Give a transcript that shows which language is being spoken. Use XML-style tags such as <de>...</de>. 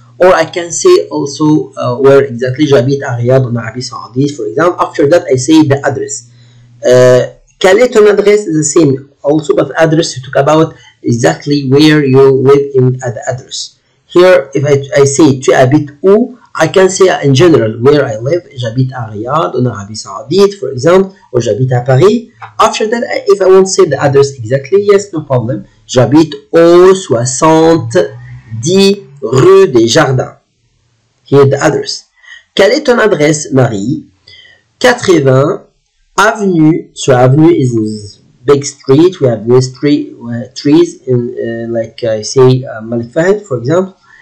<en>Or I can say also where exactly</en> <fr>j'habite à Riyad en Arabie Saoudite,</fr> <en>for example. After that, I say the address.</en> <fr>Quelle est ton adresse?</fr> <en>The same also, but address you talk about exactly where you live in at the address. Here, if I say</en> <fr>tu habites où,</fr> <en>I can say in general where I live.</en> <fr>J'habite à Riyad en Arabie Saoudite,</fr> <en>for example,</en> <fr>or j'habite à Paris.</fr> <en>After that, if I won't say the address exactly, yes, no problem.</en> <fr>J'habite au 70 rue des Jardins.</fr> <en>Here the address.</en> <fr>Quelle est ton adresse, Marie? 80 avenue.</fr> <en>So avenue is big street. We have this trees in like I say Malik Fahed, for example.</en>